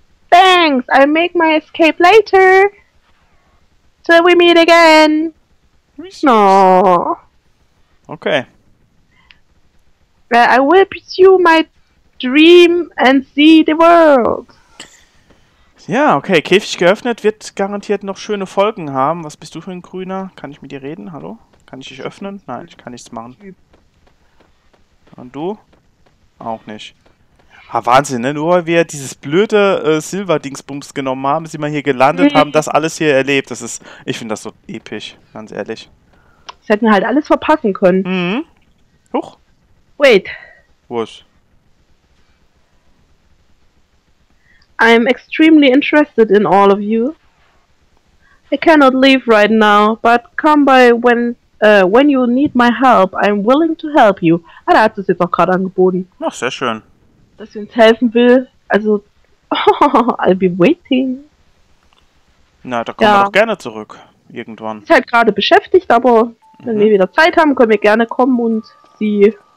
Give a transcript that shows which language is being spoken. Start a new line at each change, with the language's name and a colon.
English: Thanks, I'll make my escape later. Till we meet again. No. Okay. I will pursue my dream and see the world.
German: Ja, okay, Käfig geöffnet, wird garantiert noch schöne Folgen haben. Was bist du für ein Grüner? Kann ich mit dir reden? Hallo? Kann ich dich öffnen? Nein, ich kann nichts machen. Und du? Auch nicht. Ah, Wahnsinn, ne? Nur weil wir dieses blöde Silber-Dingsbums genommen haben, sind wir hier gelandet, haben das alles hier erlebt. Das ist, ich finde das so episch, ganz ehrlich. Das hätten wir halt alles verpacken können. Mhm. Huch.
English: Wait.
German: Was?
English: I'm extremely interested in all of you. I cannot leave right now, but come by when... when you need my help, I'm willing to help you.
German: Ah, da hat es jetzt auch gerade angeboten. Ach, sehr schön. Dass sie uns helfen will. Also,
English: oh, I'll be waiting.
German: Na, da kommen wir doch gerne zurück. Irgendwann. Ist halt gerade beschäftigt, aber wenn wir wieder Zeit haben, können wir gerne kommen und sie...